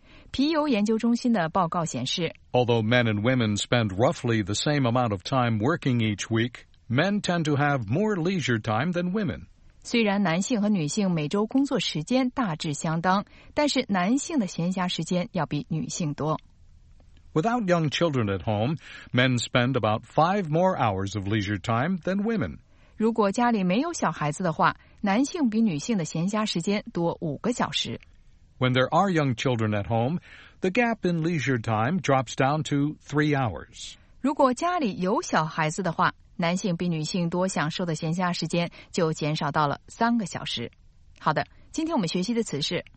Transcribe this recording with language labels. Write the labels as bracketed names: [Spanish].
[Chinese] 皮尤研究中心的报告显示 [English] Although men and women spend roughly the same amount of time working each week,Men tend to have more leisure time than women. [Chinese] 虽然男性和女性每周工作时间大致相当，但是男性的闲暇时间要比女性多。 [English] Without young children at home, men spend about 5 more hours of leisure time than women. [Chinese] 如果家里没有小孩子的话，男性比女性的闲暇时间多5个小时。 [English] When there are young children at home, the gap in leisure time drops down to 3 hours. [Chinese] 如果家里有小孩子的话，男性比女性多享受的闲暇时间就减少到了3个小时。好的，今天我们学习的词是